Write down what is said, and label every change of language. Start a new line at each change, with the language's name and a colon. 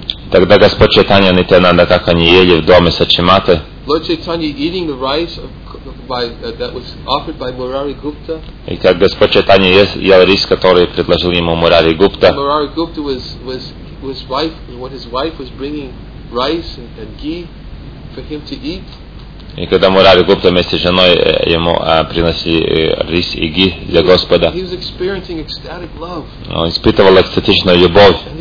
Russian: Тогда Господь Чайтанья и Нитянанда, как они ели в доме Сачиматы. И как Господь Чайтанья ел рис, который предложил ему Мурари Гупта.
English: Мурари Гупта was wife, what his wife was bringing rice and ghee for him to eat.
Russian: И когда Мурари Гупта вместе с женой ему приносили рис и ги для Господа, он испытывал экстатичную любовь.